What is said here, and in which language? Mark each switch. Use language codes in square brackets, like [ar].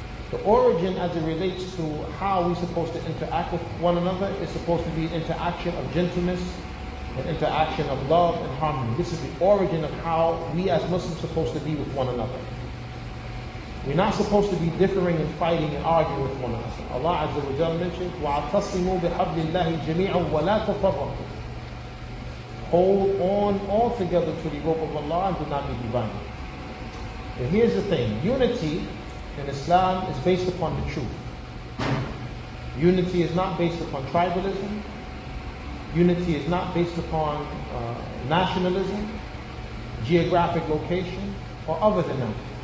[en] The origin as it relates to how we're supposed to interact with one another is supposed to be an interaction of gentleness, an interaction of love and harmony. This is the origin of how we as Muslims are supposed to be with one another. We're not supposed to be differing and fighting and arguing with one another. Allah Azza wa Jalla mentioned, [ar] وَعَتَصِّمُوا بِحَبْلِ اللَّهِ جَمِيعًا وَلَا تَفَرَّقُوا. [en] Hold on altogether to the rope of Allah and do not be divided. And here's the thing. Unity in Islam is based upon the truth. Unity is not based upon tribalism. Unity is not based upon nationalism, geographic location, or other than that.